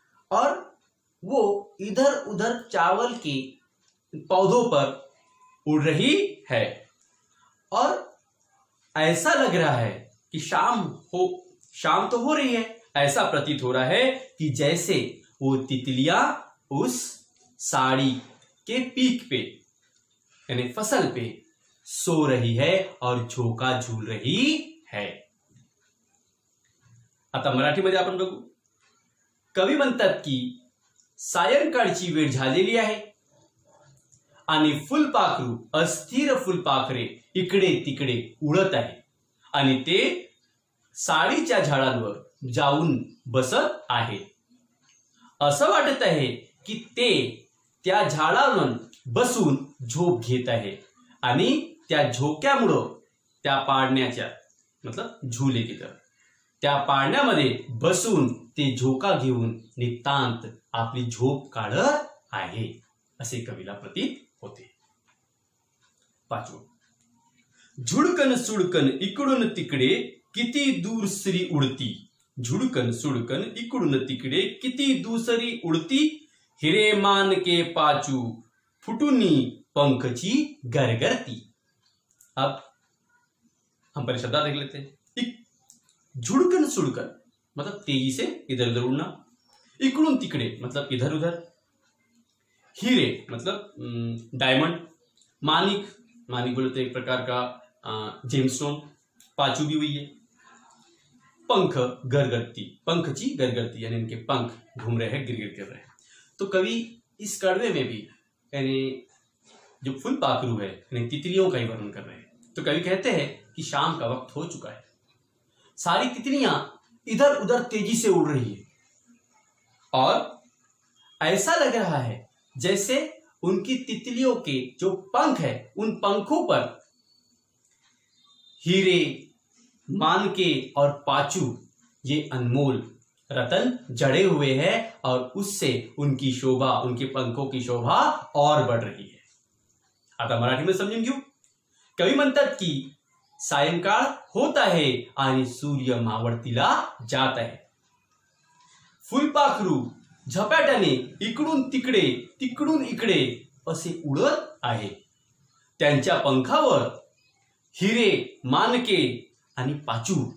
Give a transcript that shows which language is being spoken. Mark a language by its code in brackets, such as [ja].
[hi] और वो इधर उधर चावल के पौधों पर उड़ रही है और ऐसा लग रहा है कि शाम तो हो रही है ऐसा प्रतीत हो रहा है कि जैसे वो तितलियां उस साड़ी के पीक पे यानी फसल पे सो रही है और झोंका झूल रही है। [mr] आता मराठी मध्ये आपण बघू। कवी म्हणतात की सायंकाळची वेळ झालेली आहे आणि फुलपाखरू अस्थिर फुलपाखरे इकडे तिकडे उडत आहे आणि ते साडीच्या झाडांवर जाऊन बसत आहे। असं वाटत आहे की ते त्या झाडांवर बसून झोप घेत आहे आणि त्या झोक्यामुळं त्या पाळण्याच्या मतलब झुले तिथं त्या पाळण्यामध्ये बसून ते झोका घेऊन नितांत आपली झोप काढत आहे असे कवीला प्रतीत होते। पाचवं, झुडकन सुडकन इकडून तिकडे किती दूर सरी उडती। झुडकन सुडकन इकडून तिकडे किती दूसरी उडती हिरे मान के पाचू फुटुनी पंखची गरगरती। [hi] अब हम परिशब्द देख लेते हैं। झुड़कन सुड़कन मतलब तेजी से इधर उधर उड़ना, इकड़ून तिकड़े मतलब इधर उधर, हीरे मतलब डायमंड, मानिक, मानिक बोले तो एक प्रकार का जेमस्टोन, पाचू भी हुई है, पंख गरगरती, पंख ची गरगरती यानी इनके पंख घूम रहे हैं गिरगिर कर रहे हैं। तो कवि इस कड़वे में भी यानी जो फूल पाखरू है यानी तितलियों का ही वर्णन कर रहे हैं। तो कवि कहते हैं कि शाम का वक्त हो चुका है, सारी तितलियां इधर उधर तेजी से उड़ रही है और ऐसा लग रहा है जैसे उनकी तितलियों के जो पंख है उन पंखों पर हीरे, मानके और पाचू ये अनमोल रतन जड़े हुए हैं और उससे उनकी शोभा, उनके पंखों की शोभा और बढ़ रही है। आता मराठी में समझूं क्यों? [mr] कवि म्हणतात की सायंकाळ होता है आणि सूर्य मावळतीला जात आहे, फुलपाखरू झपाट्याने इकडून तिकडे तिकडून इकडे असे उडत आहे, त्यांच्या पंखावर हिरे, मानके आणि पाचू